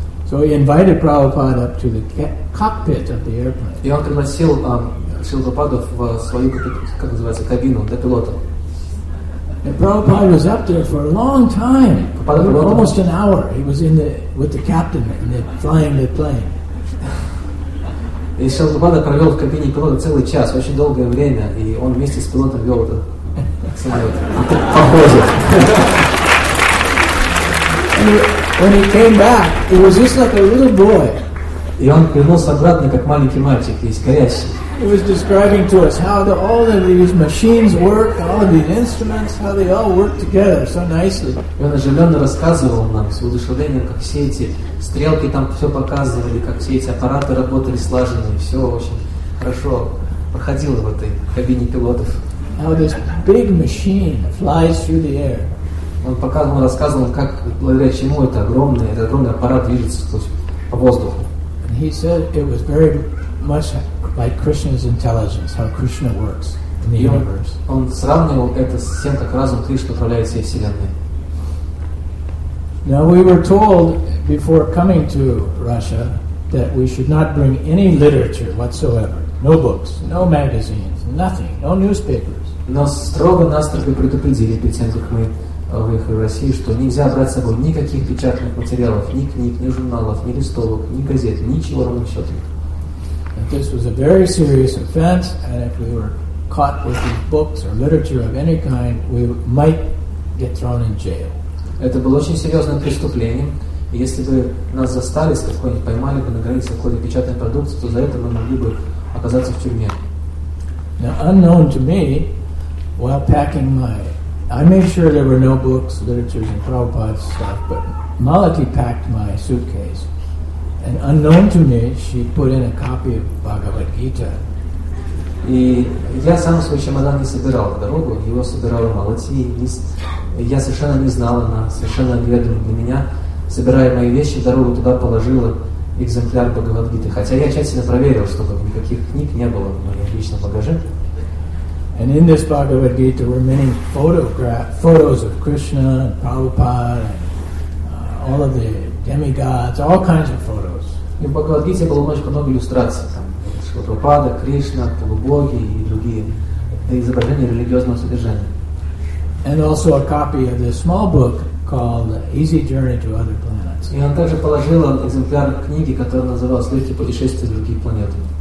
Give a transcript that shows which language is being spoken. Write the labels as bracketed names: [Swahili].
[English] So he invited Prabhupada up to the cockpit of the airplane. [Russian] И он пригласил Шрила Прабхупаду в свою, как называется, кабину для пилота. [English] And Prabhupada was up there for a long time, almost an hour. He was in the with the captain and they flying the plane. [Russian] И Шрила Прабхупада провел в кабине пилота целый час, очень долгое время, и он вместе с пилотом вел этот самолет. Похоже. [English] And when he came back, he was just like a little boy. [Russian] И он вернулся обратно как маленький мальчик, весь горящий. [English] He was describing to us how all of these machines work, all of the instruments, how they all work together so nicely. [Russian] И он оживленно рассказывал нам с воодушевлением, как все эти стрелки там все показывали, как все эти аппараты работали слаженно, и все очень хорошо проходило в этой кабине пилотов. [English] How this big machine flies through the air. [Russian] Он показывал, рассказывал, как благодаря чему этот огромный аппарат движется сквозь по воздуху. [English] And he said it was very much like Krishna's intelligence, how Krishna works in the universe. [Russian] Он сравнивал это с тем, как разум Кришны управляет всей вселенной. [English] Now we were told before coming to Russia that we should not bring any literature whatsoever, no books, no magazines, nothing, no newspapers. [Russian] Нас строго настолько предупредили перед тем, как мы выехали в Россию, что нельзя брать с собой никаких печатных материалов, ни книг, ни журналов, ни листовок, ни газет, ничего ровным счетом. [English] That this was a very serious offense, and if we were caught with these books or literature of any kind, we might get thrown in jail. [Russian] Это было очень серьезным преступлением, и если бы нас застали, с какой-нибудь поймали бы на границе какой-то печатной продукции, то за это мы могли бы оказаться в тюрьме. [English] Now, unknown to me, while packing my, I made sure there were no books, literature, and Prabhupada's stuff, but Malati packed my suitcase. And unknown to me, she put in a copy of Bhagavad Gita. [Russian] И я сам свой чемодан не собирал в дорогу, его собирала Малати. Я совершенно не знала, она совершенно неведома для меня. Собирая мои вещи в дорогу, туда положила экземпляр Бхагавад Гиты. Хотя я тщательно проверил, чтобы никаких книг не было в моем личном багаже. [English] And in this Bhagavad Gita were many photos of Krishna and Prabhupada and all of the demigods, all kinds of photos. [Russian] И в Бхагавад-гите было много иллюстраций. Там Шрила Прабхупада, Кришна, полубоги и другие изображения религиозного содержания. [English] And also a copy of this small book called Easy Journey to Other Planets. [Russian] И он также положил экземпляр книги, которая называлась «Легкие путешествия на другие планеты».